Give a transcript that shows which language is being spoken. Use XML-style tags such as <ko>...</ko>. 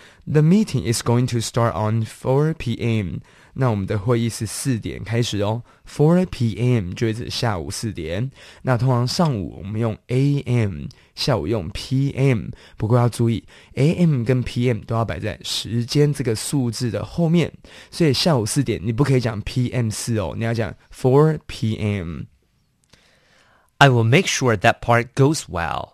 <en>The meeting is going to start on 4 p.m.</en> <zh>那我们的会议是4点开始哦。 4 p.m. 就是下午4点。那通常上午我们用 a.m. 下午用 p.m. 不过要注意 a.m. 跟 p.m. 都要摆在时间这个数字的后面。所以下午4点你不可以讲 p.m. 4哦，你要讲 4 p.m.</zh> <en>I will make sure that part goes well.</en>